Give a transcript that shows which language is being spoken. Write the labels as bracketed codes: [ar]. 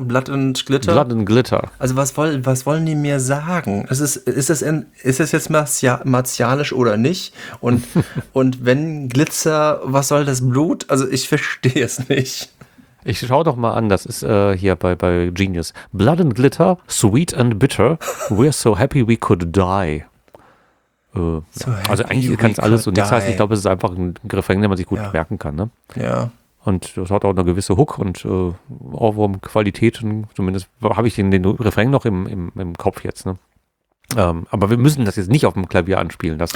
[en] Blood and Glitter? Blood and Glitter. [de] Also, was wollen die mir sagen? Ist das jetzt martialisch oder nicht? Und, und wenn Glitzer, was soll das Blut? Also, ich verstehe es nicht. Ich schau doch mal an, das ist hier bei Genius. [en] Blood and Glitter, sweet and bitter, we're so happy we could die. [de] So also eigentlich kann es alles und nichts heißen. Ich glaube, es ist einfach ein Refrain, den man sich gut merken kann. Ne? Ja. Und das hat auch eine gewisse Hook und Ohrwurm-Qualitäten. Zumindest habe ich den Refrain noch im Kopf jetzt. Ne? Aber wir müssen das jetzt nicht auf dem Klavier anspielen.